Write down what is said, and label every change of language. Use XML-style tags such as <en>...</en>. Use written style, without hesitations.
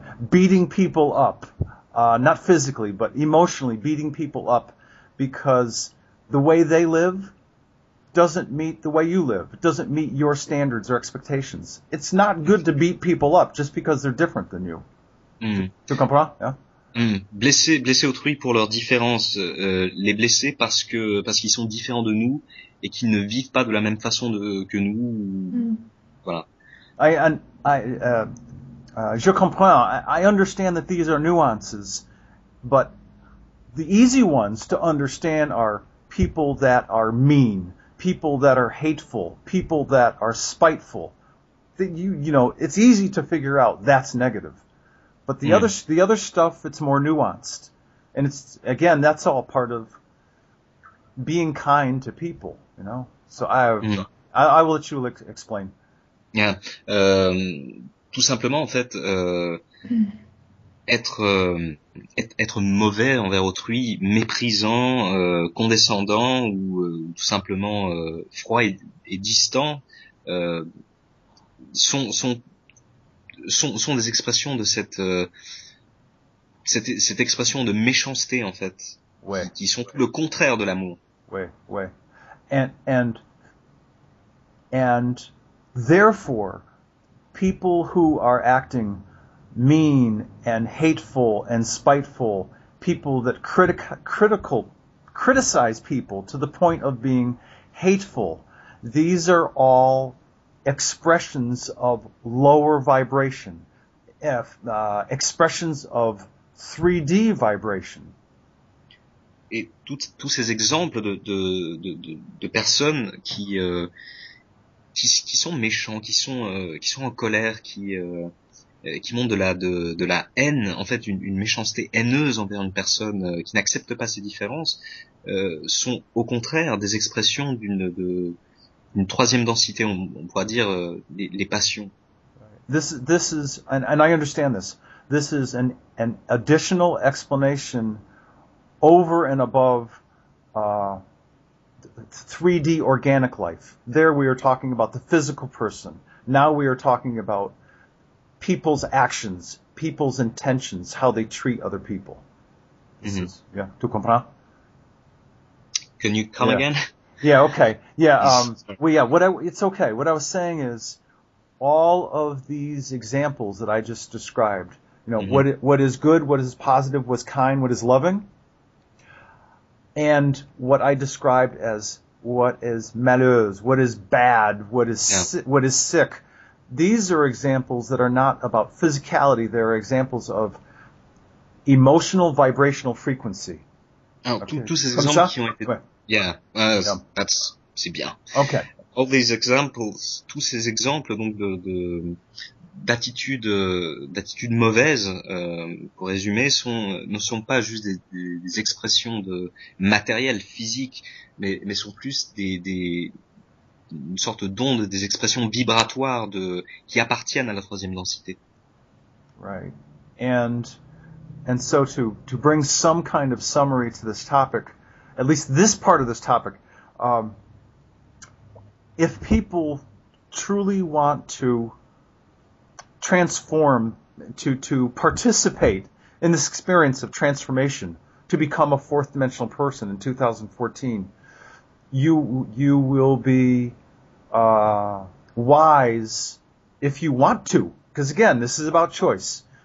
<en>beating people up, not physically, but emotionally, beating people up because the way they live doesn't meet the way you live. It doesn't meet your standards or expectations. It's not good to beat people up just because they're different than you.</en> <fr>Tu comprends?</fr> <en>Yeah?</en> <fr>Blesser autrui pour leurs différences, les blesser parce qu'ils sont différents de nous et qu'ils ne vivent pas de la même façon que nous. Mm. Voilà. Je comprends.</fr> <en>I understand that these are nuances, but the easy ones to understand are people that are mean, people that are hateful, people that are spiteful. That you know, it's easy to figure out that's negative. But the other stuff, it's more nuanced. And it's, again, that's all part of being kind to people, you know? So I will let you explain. Yeah.</en> <fr>Tout simplement, en fait, être mauvais envers autrui, méprisant, condescendant ou tout simplement froid et distant, sont des expressions de cette expression de méchanceté en fait, ouais, qui sont tout le contraire de l'amour. Ouais, ouais.</fr> <en>And therefore, people who are acting mean and hateful and spiteful, people that criticize people to the point of being hateful, these are all expressions of lower vibration, expressions of 3D vibration.</en> <fr>Et tous ces exemples de personnes qui sont méchants, qui sont en colère, qui montrent de la haine, en fait une méchanceté haineuse envers une personne qui n'accepte pas ces différences, sont au contraire des expressions d'une troisième densité, on pourrait dire les passions.</fr> <en>This is and I understand this. This is an additional explanation over and above 3D organic life. There we are talking about the physical person. Now we are talking about people's actions, people's intentions, how they treat other people. Mm-hmm. This is, yeah,</en> <fr>tu comprends?</fr> <en>Can you come yeah. again? Yeah, okay. Yeah, well, yeah, what I, it's okay. What I was saying is all of these examples that I just described, you know, what is good, what is positive, what's kind, what is loving, and what I described as what is malheureux, what is bad, what is sick. These are examples that are not about physicality. They're examples of emotional vibrational frequency. All these examples,</en> <fr>tous ces exemples donc d'attitudes mauvaises, pour résumer, ne sont pas juste des expressions de matériel physique, mais sont plus une sorte d'onde, des expressions vibratoires qui appartiennent à la troisième densité.</fr> <en>Right. And so to bring some kind of summary to this topic, at least this part of this topic, if people truly want to transform, to participate in this experience of transformation, to become a fourth dimensional person in 2014, you will be wise if you want to, because again, this is about choice.</en>